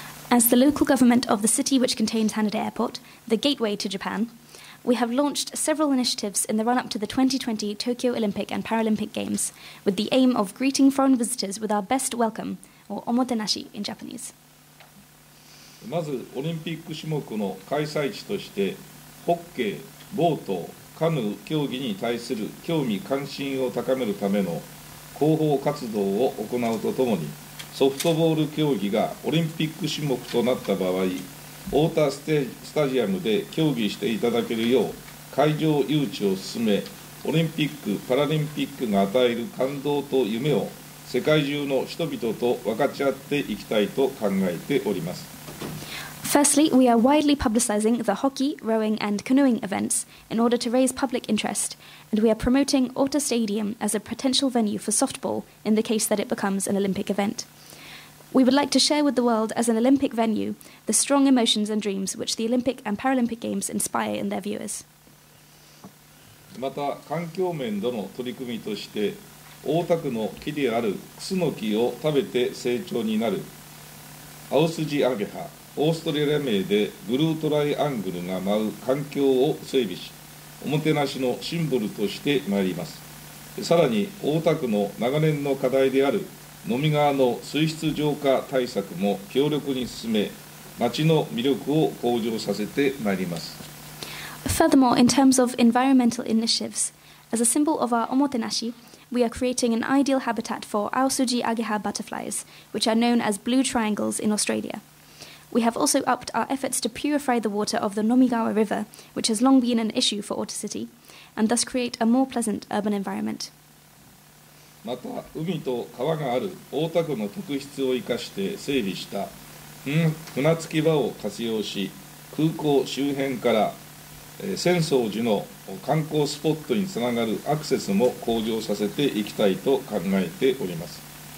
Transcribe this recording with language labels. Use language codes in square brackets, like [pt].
[en] As the local government of the city which contains Haneda Airport, the gateway to Japan, we have launched several initiatives in the run-up to the 2020 Tokyo Olympic and Paralympic Games with the aim of greeting foreign visitors with our best welcome, or omotenashi in Japanese. [ja] まず、オリンピック種目の開催地として、ホッケー、ボート、カヌー競技に対する興味関心を高めるための広報活動を行うとともに、ソフトボール競技がオリンピック種目となった場合、オータースタジアムで競技していただけるよう会場誘致を進め、オリンピック・パラリンピックが与える感動と夢を世界中の人々と分かち合っていきたいと考えております。 [en] Firstly, we are widely publicizing the hockey, rowing, and canoeing events in order to raise public interest, and we are promoting Ota Stadium as a potential venue for softball in the case that it becomes an Olympic event. We would like to share with the world as an Olympic venue the strong emotions and dreams which the Olympic and Paralympic Games inspire in their viewers. [ja] また、環境面での取り組みとして、大田区の木であるクスノキを食べて成長になるアウスジアゲハ、オーストラリア名でブルートライアングルが舞う環境を整備し、おもてなしのシンボルとしてまいります。さらに、大田区の長年の課題である飲み川の水質浄化対策も強力に進め、町の魅力を向上させてまいります。 [en] Furthermore, in terms of environmental initiatives, as a symbol of our omotenashi, we are creating an ideal habitat for Aosuji Ageha butterflies, which are known as blue triangles in Australia. We have also upped our efforts to purify the water of the Nomigawa River, which has long been an issue for Ota City, and thus create a more pleasant urban environment. [ja] また海と川がある大田区の特質を生かして整備した船着き場を活用し、空港周辺から浅草寺の観光スポットにつながるアクセスも向上させていきたいと考えております。